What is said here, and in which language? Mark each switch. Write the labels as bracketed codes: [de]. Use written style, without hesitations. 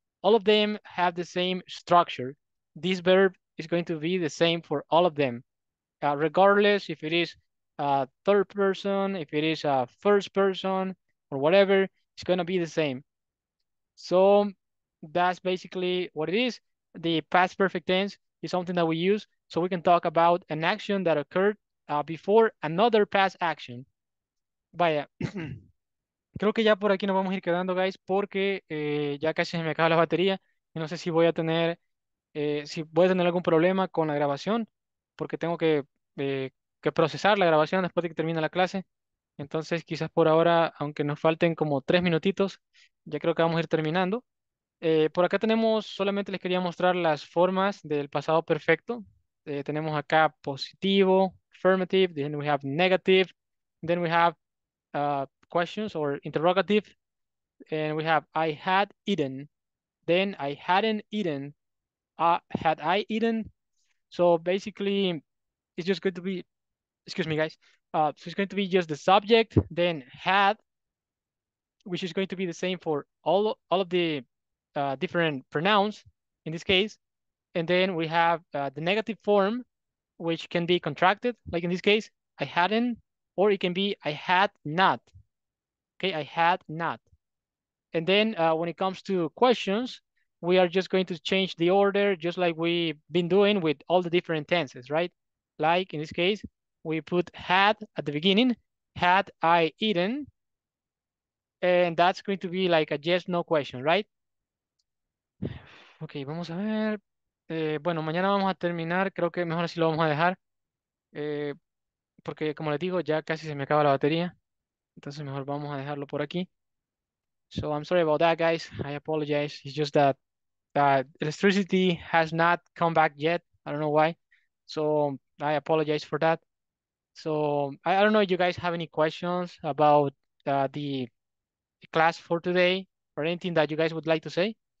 [en] All of them have the same structure. This verb is going to be the same for all of them, regardless if it is a third person, if it is a first person, or whatever, it's going to be the same. So that's basically what it is. The past perfect tense is something that we use so we can talk about an action that occurred before another past action. [es] Vaya. Creo que ya por aquí nos vamos a ir quedando, guys, porque ya casi se me acaba la batería y no sé si voy a tener algún problema con la grabación, porque tengo que procesar la grabación después de que termine la clase. Entonces, quizás por ahora, aunque nos falten como 3 minutitos, ya creo que vamos a ir terminando. Por acá tenemos, solamente les quería mostrar las formas del pasado perfecto. Tenemos acá positivo, [en] affirmative, then we have negative, then we have questions or interrogative, and we have I had eaten, then I hadn't eaten, had I eaten. So basically, it's just going to be, excuse me, guys. So it's going to be just the subject, then had, which is going to be the same for all of the different pronouns in this case. And then we have the negative form, which can be contracted, like in this case, I hadn't, or it can be I had not. Okay, I had not. And then when it comes to questions, we are just going to change the order just like we've been doing with all the different tenses, right? Like in this case, we put had at the beginning, had I eaten, and that's going to be like a yes, no question, right? [es] Okay, vamos a ver. Bueno, mañana vamos a terminar. Creo que mejor así lo vamos a dejar. Porque como les digo, ya casi se me acaba la batería. Entonces mejor vamos a dejarlo por aquí. [en] So I'm sorry about that, guys. I apologize. It's just that electricity has not come back yet. I don't know why. So I apologize for that. So I don't know if you guys have any questions about the class for today or anything that you guys would like to say.